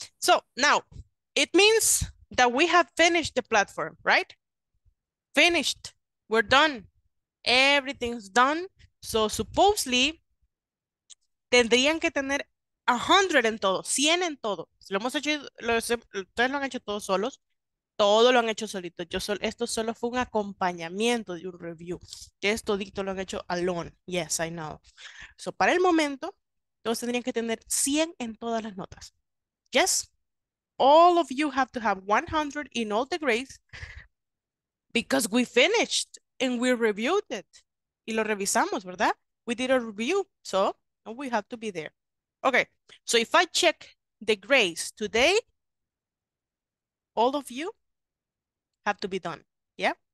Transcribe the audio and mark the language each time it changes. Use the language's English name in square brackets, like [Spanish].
[English] So now it means that we have finished the platform, right? Finished. We're done. Everything's done. So supposedly [Spanish] tendrían que tener 100 en todo, 100 en todo. Lo hemos hecho, ustedes lo han hecho todos solos. Todo lo han hecho solito. Esto solo fue un acompañamiento de un review. Esto dicto lo han hecho alone. [English] Yes, I know. [Spanish] So, para el momento, todos tendrían que tener 100 en todas las notas. [English] Yes? All of you have to have 100 in all the grades because we finished and we reviewed it. [Spanish] Y lo revisamos, ¿verdad? [English] We did a review. So, we have to be there. Okay, so if I check the grades today, all of you have to be done, yeah?